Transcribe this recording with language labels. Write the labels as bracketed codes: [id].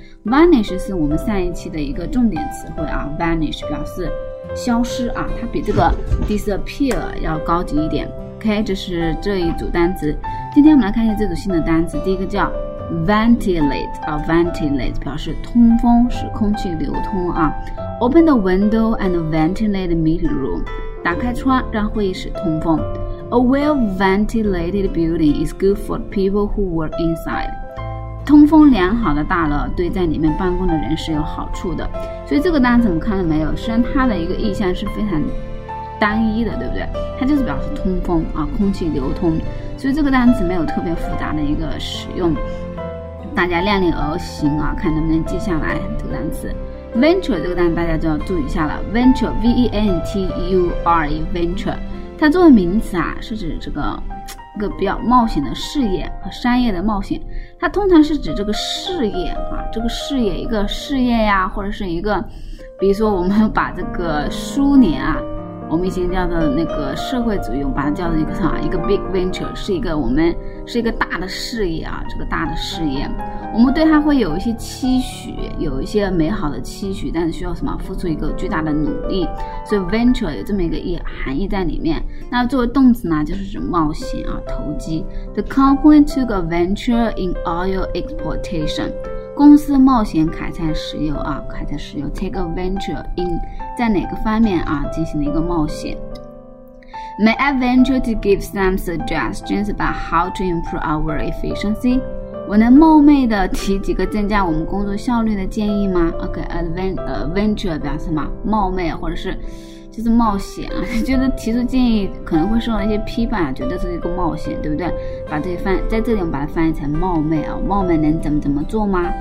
[zh] vanish 是我们上一期的一个重点词汇啊， vanish 表示消失啊，它比这个 disappear 要高级一点。 OK， 这是这一组单词。今天我们来看一下这组新的单词。第一个叫Ventilate 啊 ，ventilate 表示通风，使空气流通啊。 [en] Open the window and ventilate the meeting room， [zh] 打开窗让会议室通风。 [en] A well ventilated building is good for people who work inside。 [zh] 通风良好的大楼对在里面办公的人是有好处的。所以这个单词我们看了没有？虽然它的一个意象是非常单一的，对不对？它就是表示通风啊，空气流通。所以这个单词没有特别复杂的一个使用。大家量力而行啊，看能不能记下来这个单词。 Venture 这个单词大家就要注意一下了。Venture，V-E-N-T-U-R-E，Venture， 它作为名词啊，是指这个一个比较冒险的事业和商业的冒险。它通常是指这个事业啊，这个事业一个事业呀，或者是一个，比如说我们把这个苏联啊，我们以前叫做那个社会主义，我把它叫做一个 [en] big venture， [zh] 是一个大的事业啊，这个大的事业，我们对它会有一些期许，有一些美好的期许，但是需要什么，付出一个巨大的努力，所以 venture 有这么一个含义在里面。那作为动词呢，就是指冒险啊，投机。 [en] The company took a venture in oil exportation， [zh] 公司冒险开采石油 [en] 啊，开采石油。 Take a venture in， [zh] 在哪个方面啊，进行了一个冒险。 [en] May I venture to give some suggestions about how to improve our efficiency? [zh] 我能冒昧的提几个增加我们工作效率的建议吗？ OK， venture 表示什么？冒昧或者是就是冒险啊，觉得提出建议可能会受到一些批判，觉得是一个冒险，对不对？把这翻在这里，我们把它翻译成冒昧啊，冒昧能怎么做吗？